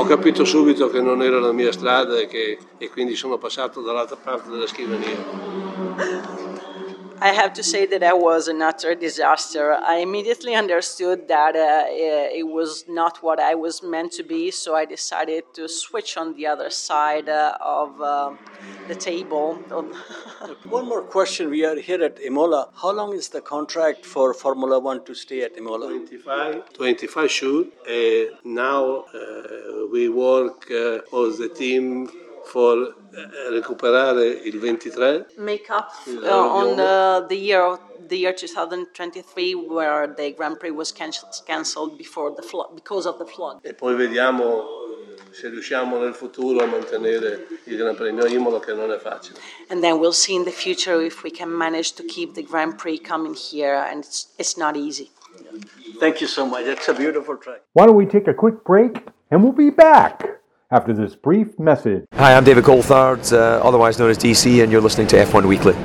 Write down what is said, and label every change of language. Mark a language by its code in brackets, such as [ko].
[it] Ho capito subito che non era la mia strada e quindi sono passato dall'altra parte della scrivania. [en] I have to say that was an utter disaster. I immediately understood that it was not what I was meant to be, so I decided to switch on the other side of the table. One more question. We are here at Imola. How long is the contract for Formula One to stay at Imola? 25 shoot. Now we work all the team for [it] recuperare il 23. [en] Make up on the year 2023 where the Grand Prix was cancelled because of the flood. [it] E poi vediamo se riusciamo nel futuro a mantenere il Gran Premio Imola, che non è facile. [en] And then we'll see in the future if we can manage to keep the Grand Prix coming here, and it's not easy. Thank you so much. It's a beautiful track. Why don't we take a quick break and we'll be back after this brief message. Hi, I'm David Coulthard, otherwise known as DC, and you're listening to F1 Weekly.